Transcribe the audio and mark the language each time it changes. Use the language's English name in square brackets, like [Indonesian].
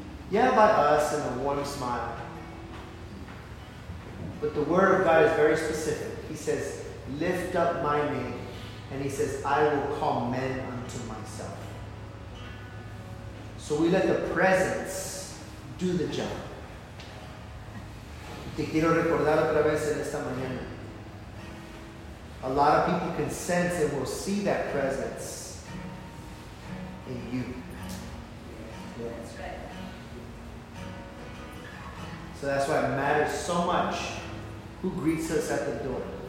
[English] Yeah, by us and a warm smile. But the word of God is very specific. He says, lift up my name. And He says, I will call men unto myself. So we let the presence do the job. [Spanish] Te quiero recordar otra vez en esta mañana. [English] A lot of people can sense and will see that presence in you. Yeah. That's right. So that's why it matters so much who greets us at the door.